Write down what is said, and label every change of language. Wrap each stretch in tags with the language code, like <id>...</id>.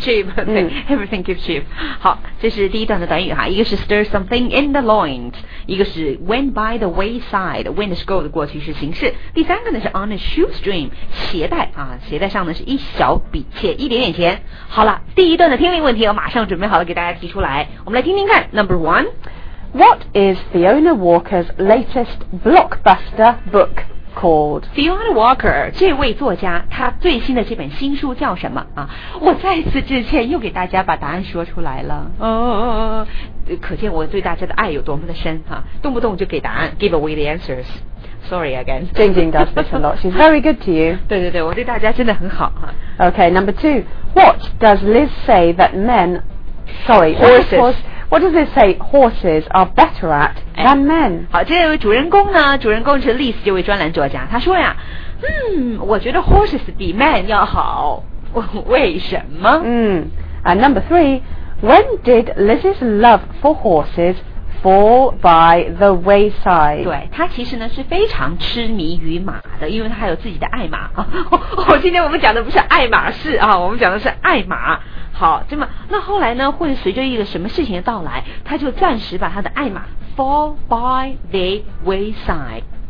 <en>cheap、okay. Everything keep cheap</en> <zh>好这是第一段的短语哈一个是</zh> <en>stir something in the loins</en> <zh>一个是</zh> <en>went by the wayside</en> <zh>went to go 的过去式形式第三个呢是</zh> <en>on a shoestring</en> <zh>鞋带啊，鞋带上呢是一小笔钱一点点钱好了第一段的听力问题我马上准备好了给大家提出来我们来听听看</zh> <en>Number one What is Fiona Walker's latest blockbuster book called?</en> <zh>Fiona Walker, 这位作家，她最新的这本新书叫什么啊？我再次致歉，又给大家把答案说出来了。可见我对大家的爱有多么的深哈、啊，动不动就给答案 ，</zh> <en>give away the answers. Sorry again. Jing Jing does this a lot. She's very good to you.</en> <zh>对对对，我对大家真的很好哈、啊。</zh> <en>Okay, number two. What does Liz say that men? Sorry, horses. Was, What does it say horses are better at than men?</en> <zh>好，这位主人公呢？主人公是 Liz 这位专栏作家，他说呀，我觉得 horses 比 men 要好，为什么？</zh> <en>And number three, when did Liz's love for horses fall by the wayside?</en> <zh>对，他其实呢是非常痴迷于马的，因为他有自己的爱马。今天我们讲的不是爱马仕啊，我们讲的是爱马。好，这么那后来呢，会随着一个什么事情的到来，他就暂时把他的爱马</zh> <en>fall by the wayside。</en>